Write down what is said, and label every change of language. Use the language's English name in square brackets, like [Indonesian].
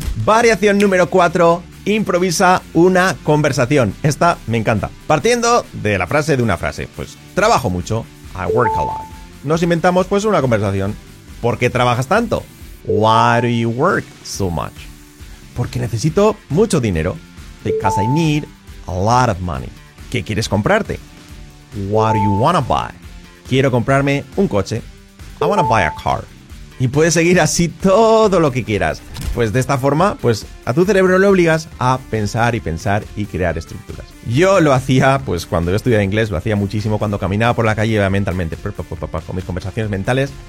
[Spanish] Variación número 4. Improvisa una conversación. Esta me encanta. Partiendo de la frase de una frase. Pues trabajo mucho. [English] I work a lot. [Spanish] Nos inventamos pues una conversación. ¿Por qué trabajas tanto? [English] Why do you work so much? [Spanish] Porque necesito mucho dinero. [English] Because I need a lot of money. [Spanish] ¿Qué quieres comprarte? [English] What do you wanna buy? [Spanish] Quiero comprarme un coche. [English] I wanna buy a car. [Spanish] Y puedes seguir así todo lo que quieras. Pues de esta forma, pues a tu cerebro le obligas a pensar y pensar y crear estructuras. Yo lo hacía, pues cuando yo estudiaba inglés, lo hacía muchísimo cuando caminaba por la calle, iba mentalmente con mis conversaciones mentales.